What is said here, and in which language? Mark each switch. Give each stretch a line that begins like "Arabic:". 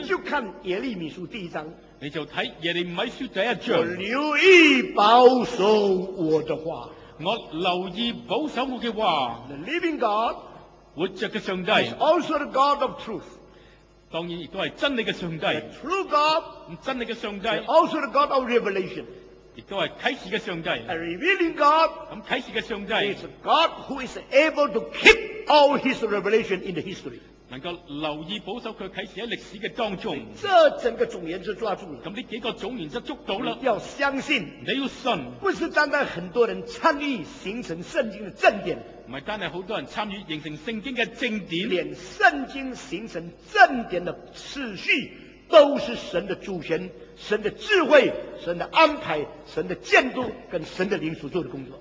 Chinese: 你就看耶利米书第一章。你就看耶利米书第一章，我留意保守我的话，我留意保守我的话。
English: The living God
Chinese: 活着的上帝
English: is also the God of truth，
Chinese: 当然也都是真理的上帝。
English: The true God
Chinese: 真理的上帝
English: is also the God of revelation，
Chinese: 也都是启示的上帝。
English: A revealing God
Chinese: 启示的上帝
English: is a God who is able to keep all his revelation in the history，
Chinese: 能够留意保守他启示在历史的当中。这整个总原则抓住了，那这几个总原则捉到了，要相信，你要信，不是单单很多人参与形成圣经的正典，不是单单很多人参与形成圣经的正典，连圣经形成正典的次序都是神的主权、神的智慧、神的安排、神的监督跟神的灵所做的工作。